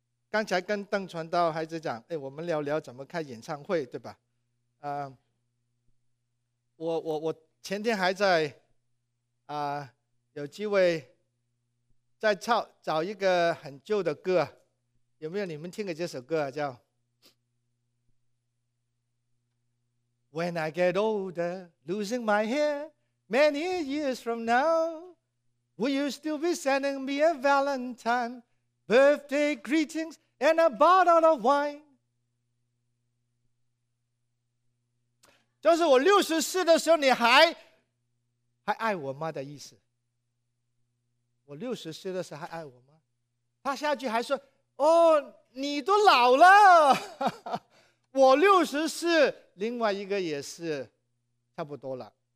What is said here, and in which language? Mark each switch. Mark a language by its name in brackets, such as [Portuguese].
[Chinese] 刚才跟邓传道孩子讲，哎，我们聊聊怎么开演唱会，对吧？我前天还在有机会在找一个很旧的歌，有没有你们听的这首歌啊？ [English] 叫 When I get older, losing my hair, many years from now. Will you still be sending me a Valentine, birthday greetings, and a bottle of wine? [Chinese] 就是我六十四的时候，你还爱我吗的意思。我六十四的时候还爱我吗？他下句还说：“哦，你都老了。 ”我六十四，另外一个也是差不多了。